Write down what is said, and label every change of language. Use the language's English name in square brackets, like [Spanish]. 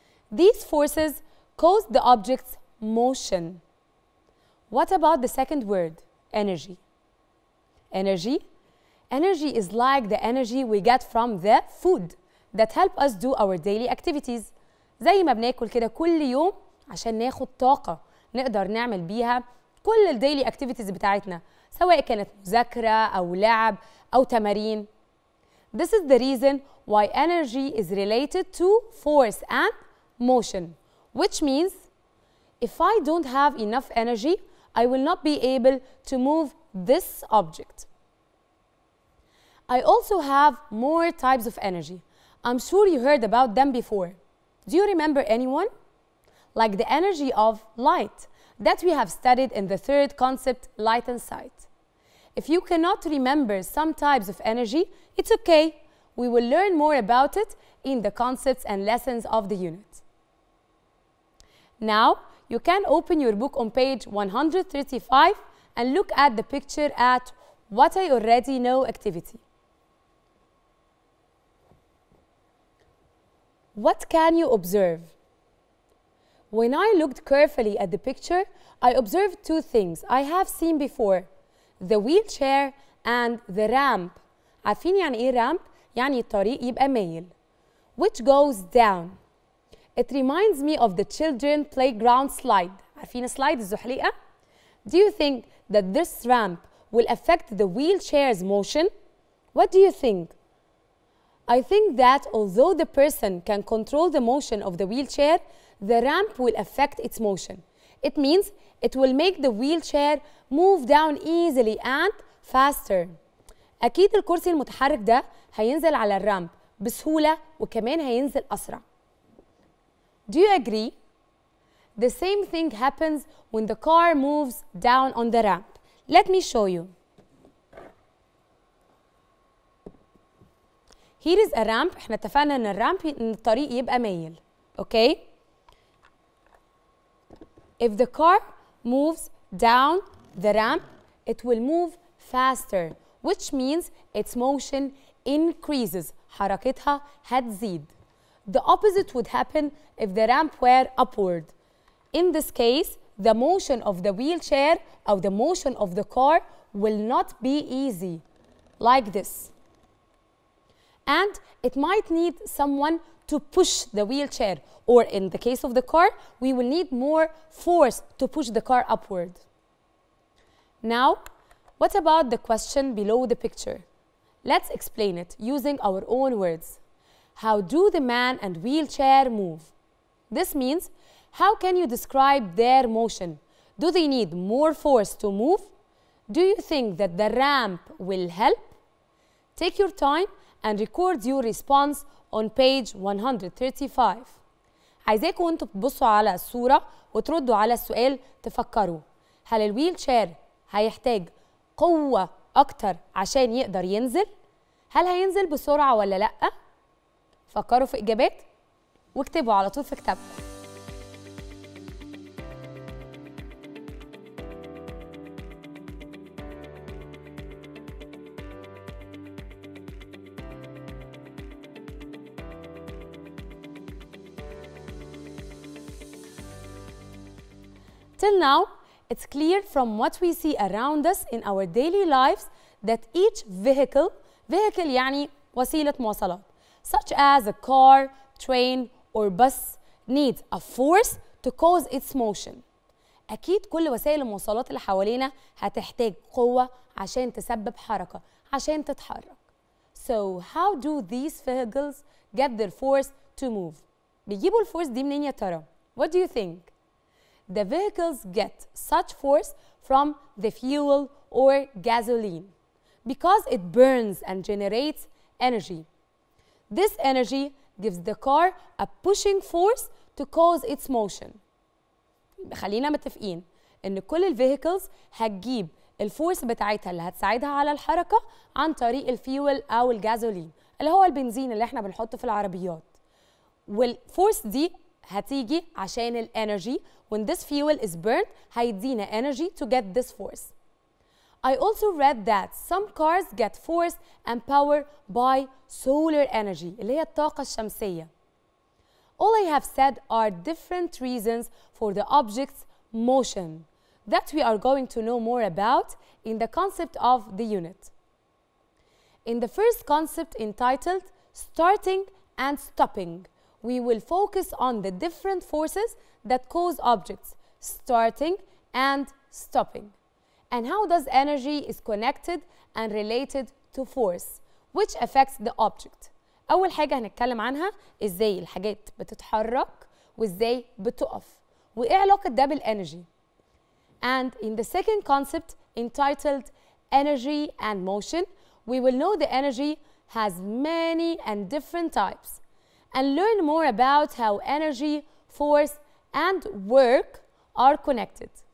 [English] These forces cause the object's motion. What about the second word, energy? Energy? Energy is like the energy we get from the food that help us do our daily activities. [Arabic] زي ما بناكل كده كل يوم عشان ناخد طاقة نقدر نعمل بيها كل الديلي اكتيفيتيز بتاعتنا سواء كانت مذاكرة أو لعب أو تمارين. [English] This is the reason why energy is related to force and motion, which means if I don't have enough energy, I will not be able to move this object. I also have more types of energy. I'm sure you heard about them before. Do you remember anyone? Like the energy of light that we have studied in the third concept, light and sight. If you cannot remember some types of energy, it's okay. We will learn more about it in the concepts and lessons of the unit. Now, you can open your book on page 135 and look at the picture at what I already know activity. What can you observe? When I looked carefully at the picture, I observed two things I have seen before. The wheelchair and the ramp. [Arabic] عارفين يعني ايه ramp؟ يعني الطريق يبقى مايل. [English] Which goes down. It reminds me of the children playground slide. [Arabic] عارفين slide الزحليقة؟ [English] Do you think that this ramp will affect the wheelchair's motion? What do you think? I think that although the person can control the motion of the wheelchair, the ramp will affect its motion. It means it will make the wheelchair move down easily and faster. [Arabic] أكيد الكرسي المتحرك ده هينزل على الرامب بسهولة وكمان هينزل أسرع. [English] Do you agree? The same thing happens when the car moves down on the ramp. Let me show you. Here is a ramp. [Arabic] احنا اتفقنا ان الرامب ان الطريق يبقى مايل. [English] Okay? If the car moves down the ramp, it will move faster, which means its motion increases. [Arabic] حركتها هتزيد. [English] The opposite would happen if the ramp were upward. In this case, the motion of the wheelchair or the motion of the car will not be easy. Like this. And it might need someone to push the wheelchair. Or in the case of the car, we will need more force to push the car upward. Now, what about the question below the picture? Let's explain it using our own words. How do the man and wheelchair move? This means, how can you describe their motion? Do they need more force to move? Do you think that the ramp will help? Take your time and record your response on page 135. [Arabic] عايزاكم انتوا تبصوا على الصورة وتردوا على السؤال تفكروا. هل الويلشير هيحتاج قوة أكتر عشان يقدر ينزل؟ هل هينزل بسرعة ولا لأ؟ فكروا في إجابات واكتبوا على طول في كتابكم. [English] Till now, it's clear from what we see around us in our daily lives that each vehicle [Arabic] يعني وسيلة مواصلات, [English] such as a car, train, or bus, needs a force to cause its motion. [Arabic] أكيد كل وسائل المواصلات اللي حوالينا هتحتاج قوة عشان تسبب حركة, عشان تتحرك. [English] So, how do these vehicles get their force to move? [Arabic] بيجيبوا الفورس دي منين يا ترى? [English] What do you think? The vehicles get such force from the fuel or gasoline because it burns and generates energy. This energy gives the car a pushing force to cause its motion. [Arabic] خلينا متفقين ان كل الفيهيكلز هتجيب الفورس بتاعتها اللي هتساعدها على الحركة عن طريق الفيول او الجازولين اللي هو البنزين اللي احنا بنحطه في العربيات. والفورس دي هتيجي عشان الانرجي. [English] When this fuel is burned, [Arabic] هيدينا [English] energy to get this force. I also read that some cars get force and power by solar energy, [Arabic] اللي هي الطاقة الشمسية. [English] All I have said are different reasons for the object's motion that we are going to know more about in the concept of the unit. In the first concept entitled Starting and Stopping, we will focus on the different forces that cause objects starting and stopping. And how does energy is connected and related to force, which affects the object. [Arabic] أول حاجة هنتكلم عنها إزاي الحاجات بتتحرك وإزاي بتقف. وإيه علاقة ده بالإنرجي. [English] And in the second concept entitled Energy and Motion, we will know the energy has many and different types. And learn more about how energy, force, and work are connected.